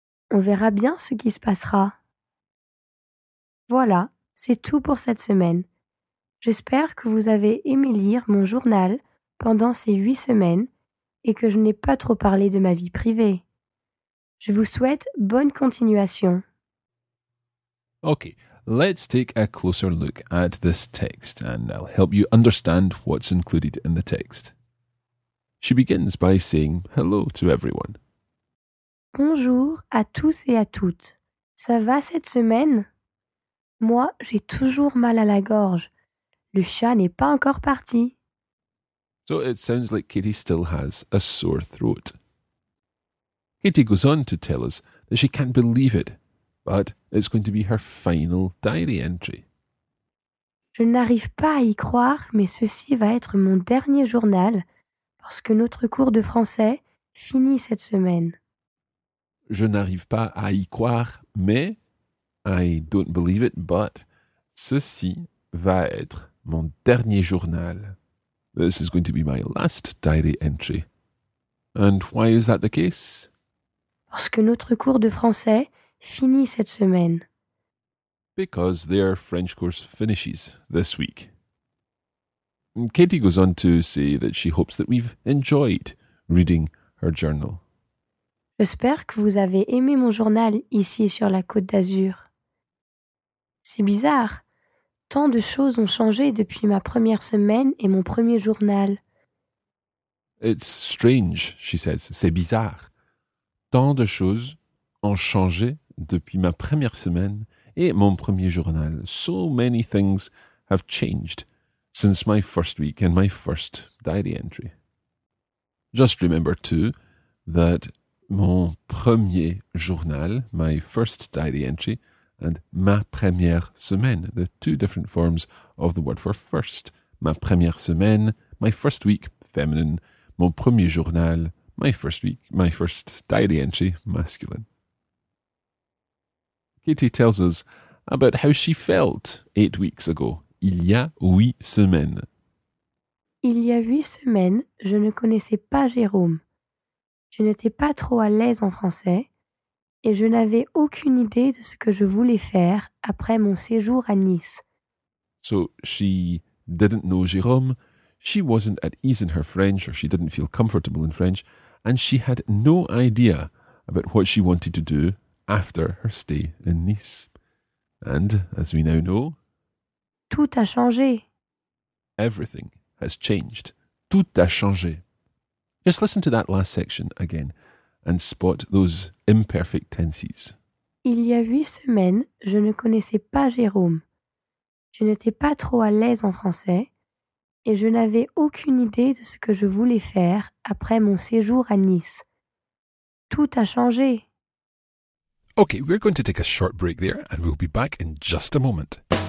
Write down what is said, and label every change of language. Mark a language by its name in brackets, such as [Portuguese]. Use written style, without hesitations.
[French] On verra bien ce qui se passera. Voilà, c'est tout pour cette semaine. J'espère que vous avez aimé lire mon journal pendant ces 8 semaines et que je n'ai pas trop parlé de ma vie privée. Je vous souhaite bonne continuation. [English] Okay, let's take a closer look at this text and I'll help you understand what's included in the text. She begins by saying hello to everyone. [French] Bonjour à tous et à toutes. Ça va cette semaine? Moi, j'ai toujours mal à la gorge. Le chat n'est pas encore parti. [English] So it sounds like Katie still has a sore throat. Katie goes on to tell us that she can't believe it, but it's going to be her final diary entry. [French] Je n'arrive pas à y croire, mais ceci va être mon dernier journal parce que notre cours de français finit cette semaine. Je n'arrive pas à y croire, mais [English] I don't believe it, but [French] ceci va être mon dernier journal. [English] This is going to be my last diary entry. And why is that the case? [French] Parce que notre cours de français finit cette semaine. [English] Because their French course finishes this week. Katie goes on to say that she hopes that we've enjoyed reading her journal. [French] J'espère que vous avez aimé mon journal ici sur la Côte d'Azur. C'est bizarre. Tant de choses ont changé depuis ma première semaine et mon premier journal. [English] It's strange, she says. [French] C'est bizarre. Tant de choses ont changé depuis ma première semaine et mon premier journal. [English] So many things have changed since my first week and my first diary entry. Just remember too that [French] mon premier journal, [English] my first diary entry, and [French] ma première semaine, [English] the two different forms of the word for first. [French] Ma première semaine, [English] my first week, feminine. [French] Mon premier journal, [English] my first week, my first diary entry, masculine. Katie tells us about how she felt 8 weeks ago. [French] Il y a 8 semaines. Il y a 8 semaines, je ne connaissais pas Jérôme. Je n'étais pas trop à l'aise en français. Et je n'avais aucune idée de ce que je voulais faire après mon séjour à Nice. [English] So, she didn't know Jérôme, she wasn't at ease in her French, or she didn't feel comfortable in French, and she had no idea about what she wanted to do after her stay in Nice. And, as we now know, [French] tout a changé. [English] Everything has changed. [French] Tout a changé. [English] Just listen to that last section again. And spot those imperfect tenses. [French] Il y a 8 semaines, je ne connaissais pas Jérôme. Je n'étais pas trop à l'aise en français et je n'avais aucune idée de ce que je voulais faire après mon séjour à Nice. Tout a changé. [English] Okay, we're going to take a short break there and we'll be back in just a moment.